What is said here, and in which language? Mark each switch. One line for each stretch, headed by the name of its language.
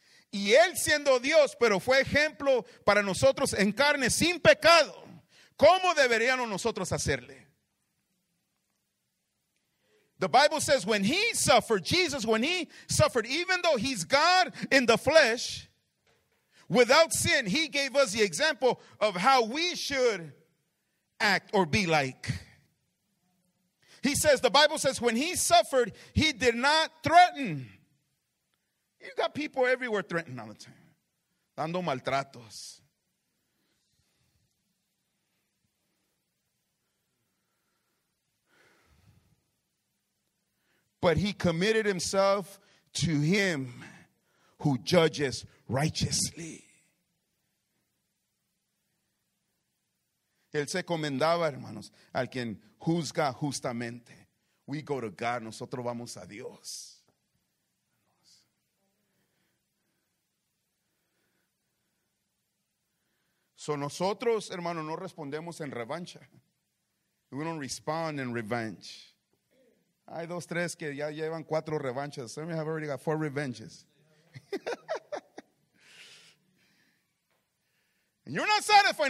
Spanish: Y él siendo Dios, pero fue ejemplo para nosotros en carne, sin pecado. ¿Cómo deberíamos nosotros hacerle?
English: The Bible says when he suffered, Jesus, when he suffered, even though he's God in the flesh, without sin, he gave us the example of how we should act or be like. He says, the Bible says when he suffered, he did not threaten. You got people everywhere threatening all the time.
Spanish: Dando maltratos.
English: But he committed himself to him who judges righteously.
Spanish: Él se encomendaba, hermanos, al quien juzga justamente.
English: We go to God.
Spanish: Nosotros vamos a Dios. So nosotros, hermanos, no respondemos en revancha.
English: We don't respond in revenge.
Spanish: Hay dos, tres que ya llevan cuatro revanchas.
English: Some have already got four revenges. And you're not satisfied.